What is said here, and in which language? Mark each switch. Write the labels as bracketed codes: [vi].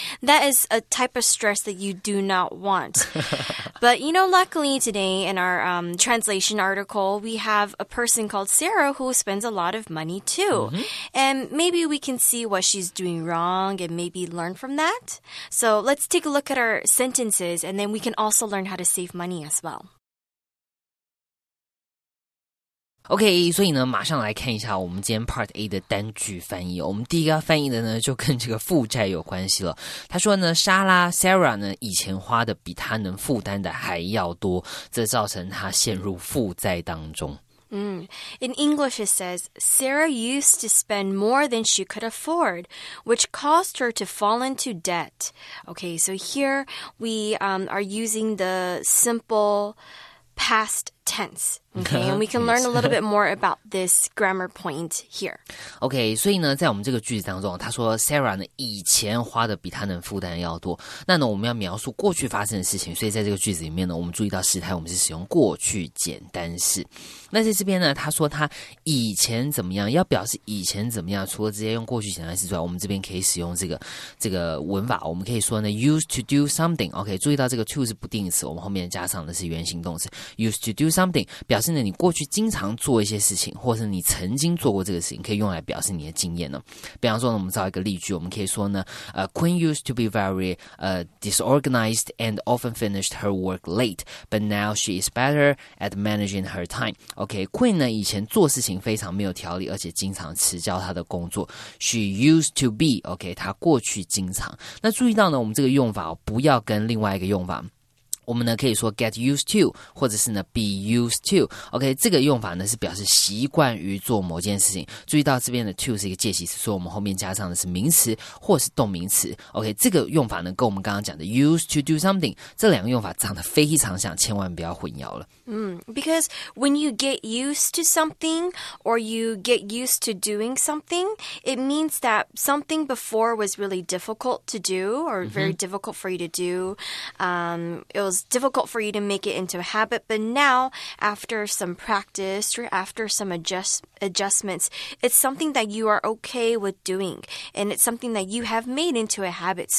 [en] That is a type of stress that you do not want. But, you know, luckily today in our translation article, we have a person called Sarah who spends a lot of money too. Mm-hmm. And maybe we can see what she's doing wrong and maybe learn from that. So let's take a look at our sentences and then we can also learn how to save money as well. [zh] OK, 所以呢马上来看一下我们今天 Part A 的单句翻译。我们第一个翻译的呢就跟这个负债有关系了。他说呢莎拉 Sarah 呢以前花的比他能负担的还要多，这造成他陷入负债当中。 [en] In English it says, Sarah used to spend more than she could afford, which caused her to fall into debt. OK, so here we are using the simple past tense. Okay, and we can learn a little bit more about this grammar point here. [zh] Okay, 所以呢在我们这个句子当中他说 Sarah 呢以前花的比他能负担要多。那呢我们要描述过去发生的事情，所以在这个句子里面呢我们注意到时态我们是使用过去简单式。那在这边呢他说他以前怎么样，要表示以前怎么样，除了直接用过去简单式之外，我们这边可以使用这个文法，我们可以说呢 [en] used to do something. [zh] Okay, 注意到这个 to 是不定词，我们后面加上的是原形动词 [en] used to do something, [zh] 表示呢你过去经常做一些事情，或是你曾经做过这个事情，可以用来表示你的经验呢。比方说呢我们造一个例句，我们可以说呢 [en] Queen used to be very disorganized and often finished her work late, but now she is better at managing her time. [zh] Okay, Queen 呢以前做事情非常没有条理，而且经常迟交她的工作。 [en] She used to be, okay, [zh] 她过去经常。那注意到呢我们这个用法不要跟另外一个用法，我们呢可以说 [en] get used to, [zh] 或者是呢 [en] be used to. [zh] OK, 这个用法呢是表示习惯于做某件事情。注意到这边的 to 是一个介系词，所以我们后面加上的是名词或是动名词。 OK, 这个用法呢跟我们刚刚讲的 [en] used to do something, [zh] 这两个用法长得非常像，千万不要混淆了。 [en] Because when you get used to something or you get used to doing something, it means that something before was really difficult to do or very difficult for you to do. It was difficult for you to make it into a habit, but now after some practice or after some adjustments, it's something that you are okay with doing and it's something that you have made into a habit.